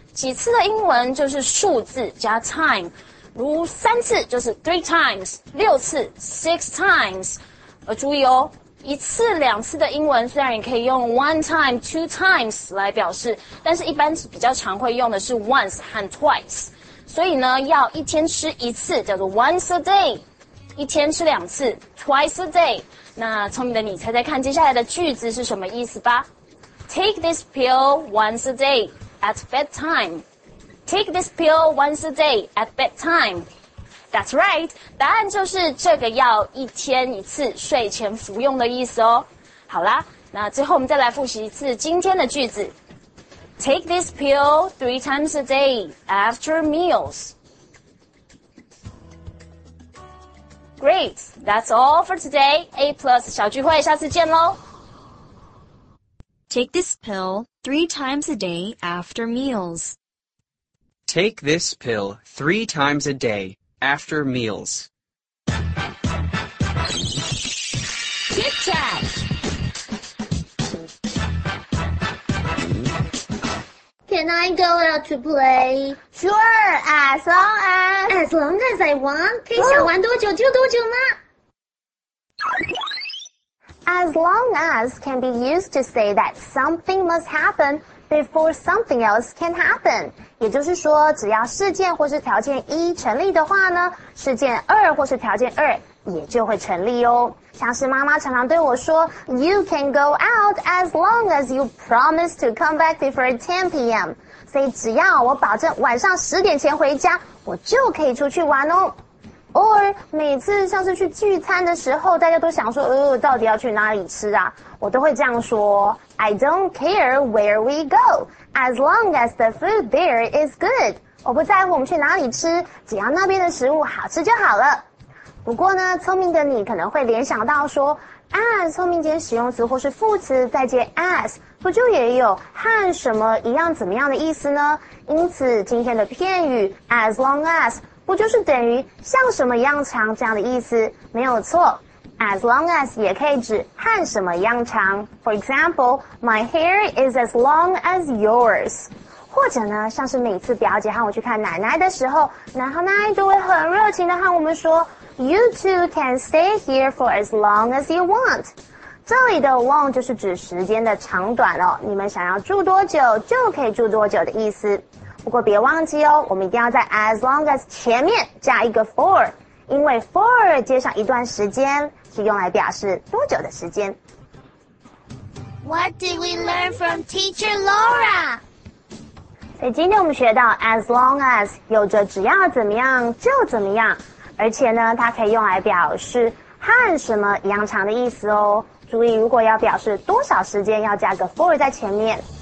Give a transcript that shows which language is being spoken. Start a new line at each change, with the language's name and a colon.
Chinese: 几次的英文就是数字加 time， 如3次就是 3 times， 6次 6 times。而注意哦，1次2次的英文虽然也可以用 1 time, 2 times 来表示，但是一般比较常会用的是 once 和 twice。所以呢，要1天吃1次叫做 once a day， 1天吃2次 twice a day。那聪明的你猜猜看接下来的句子是什么意思吧 ？ Take this pill once a day at bedtime. Take this pill once a day at bedtime. That's right. 答案就是这个药1天1次睡前服用的意思哦。好啦，那最后我们再来复习一次今天的句子。
English: Take this pill 3 times a day after meals. Great. That's all for today.
Chinese: A plus 小聚会，下次见咯。
English: Take this pill 3 times a day after meals. Take this pill 3 times a day. After meals. Tic Tac. Can I go out to play? Sure, as long as I want.
Chinese: 可以想玩多久就多久吗？
English: As long as can be used to say that something must happen. Before something else can happen.
Chinese: 也就是说只要事件或是条件一成立的话呢事件二或是条件二也就会成立哦。像是妈妈常常对我说 You can go out as long as you promise to come back before 10 p.m. 所以只要我保证晚上10点前回家我就可以出去玩哦。 Or, 每次像是去聚餐的时候大家都想说到底要去哪里吃啊我都会这样说 I don't care where we go, as long as the food there is good. 我不在乎我们去哪里吃只要那边的食物好吃就好了。不过呢聪明的你可能会联想到说 as 后面接使用词或是副词再接 as, 不就也有和什么一样怎么样的意思呢因此今天的片语 as long as,不就是等于像什么样长这样的意思没有错 as long as 也可以指和什么样长 for example my hair is as long as yours 或者呢像是每次表姐和我去看奶奶的时候奶奶奶都会很热情地和我们说 you two can stay here for as long as you want 这里的 long 就是指时间的长短哦你们想要住多久就可以住多久的意思不过别忘记哦我们一定要在 as long as 前面加一个 for 因为 for 接上一段时间是用来表示多久的时间
English: What did we learn from teacher Laura?
Chinese: 所以今天我们学到 as long as 有着只要怎么样就怎么样而且呢它可以用来表示和什么一样长的意思哦注意如果要表示多少时间要加个 for 在前面